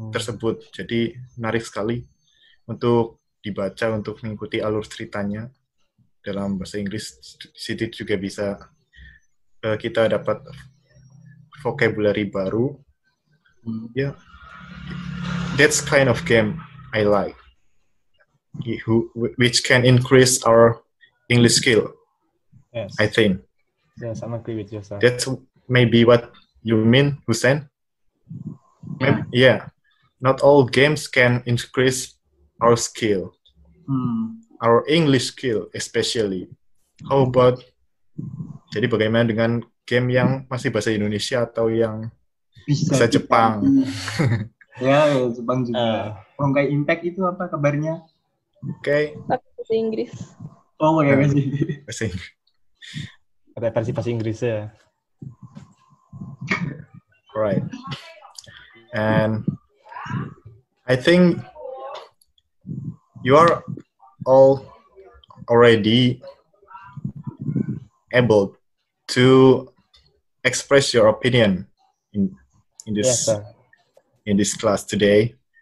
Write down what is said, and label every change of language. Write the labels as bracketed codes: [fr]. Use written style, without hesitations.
[id] Tersebut jadi menarik sekali untuk dibaca, untuk mengikuti alur ceritanya dalam bahasa Inggris. Situ juga bisa kita dapat vocabulary baru. [en] Yeah, that's kind of game I like, which can increase our English skill. Yes. I think. Yes, I'm agree with you, sir. That's maybe what you mean, Hussein. Maybe, yeah. Not all games can increase our skill. Hmm. Our English skill, especially. How about, [id] jadi bagaimana dengan game yang masih bahasa Indonesia atau yang bisa Jepang? Ya, Jepang juga. Kalau kayak Impact itu apa kabarnya? [en] Okay. [id] Bahasa Inggris. Oh, bahasa Inggris. Bahasa Inggris. Ada versi bahasa Inggris ya. [en] Right. And I think you are all already able to express your opinion in this class today.